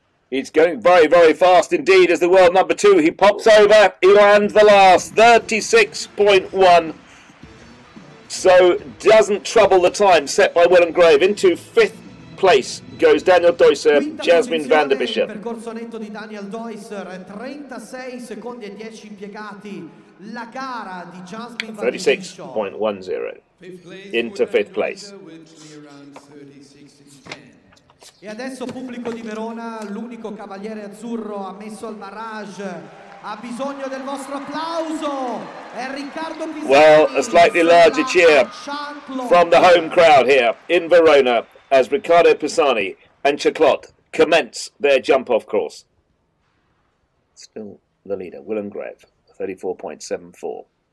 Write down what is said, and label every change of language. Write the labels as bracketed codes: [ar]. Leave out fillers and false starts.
[en] It's going very, very fast indeed as the world number two. He pops over. He lands the last. 36.1. So doesn't trouble the time set by Willem Graeve. Into fifth place goes Daniel Deusser, Jasmine van der Bishop. [it] Percorso netto di Daniel Deusser, 36 secondi e 10 impiegati. La gara di Jasmine van der Bishop. [en] 36.10. Into fifth place. [it] E adesso pubblico di Verona, l'unico cavaliere azzurro ammesso al barrage, ha bisogno del vostro applauso. È Riccardo Pisani. [en] Well, a slightly larger cheer from the home crowd here in Verona as Riccardo Pisani and Chaclot commence their jump off course. Still the leader, Willem Graeve, 34.74.